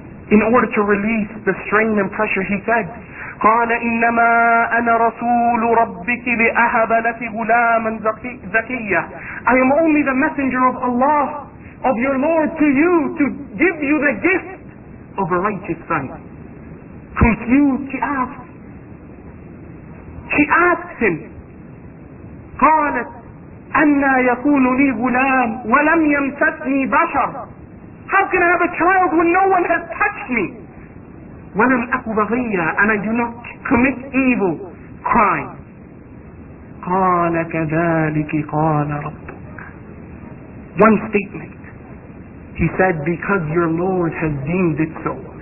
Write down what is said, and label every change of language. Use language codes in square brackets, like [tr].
[en] In order to release the strain and pressure, he said, [ar] قَالَ إِنَّمَا أَنَا رَسُولُ رَبِّكِ لِأَهَبَ لَكِ غُلَامًا زَكِيًّا. [en] I am only the messenger of Allah, of your Lord, to you, to give you the gift of a righteous son. Confused, she asked. She asked him, [ar] قَالَتْ أَنَّا يَكُونُ لِي غُلَامٌ وَلَمْ يَمْسَسْنِي بَشَرٌ. [en] How can I have a child when no one has touched me? [ar] وَلَمْ أَكُ بَغِيًّا, [en] and I do not commit evil crime. [ar] قَالَ كَذَلِكِ قَالَ رَبُّكَ. [en] One statement. He said, because your Lord has deemed it so.